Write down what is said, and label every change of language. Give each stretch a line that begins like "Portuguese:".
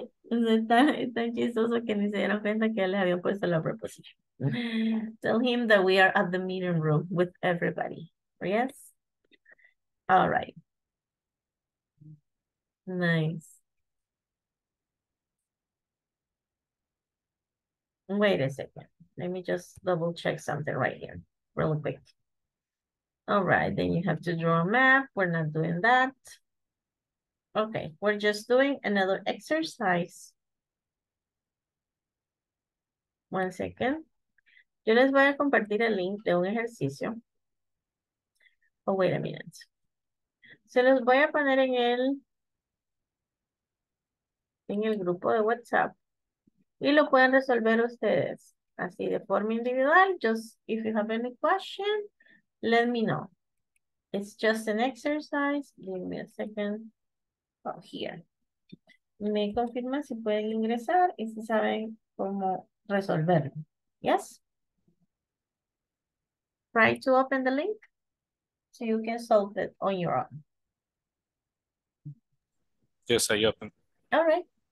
Spanish: Está chistoso que ni se dieron cuenta que ya les habían puesto la preposición.
English: Tell him that we are at the meeting room with everybody. Yes? All right. Nice. Wait a second. Let me just double check something right here, real quick. All right, then you have to draw a map. We're not doing that. Okay, we're just doing another exercise. One second.
Spanish: Yo les voy a compartir el link de un ejercicio.
English: Oh, wait a minute.
Spanish: Se los voy a poner en el grupo de WhatsApp y lo pueden resolver ustedes así de forma individual.
English: Just if you have any question, let me know. It's just an exercise. Give me a second. Oh, here.
Spanish: Me confirma si pueden ingresar y si saben cómo resolverlo.
English: Yes? Try to open the link so you can solve it on your own. Yes, I open. All right.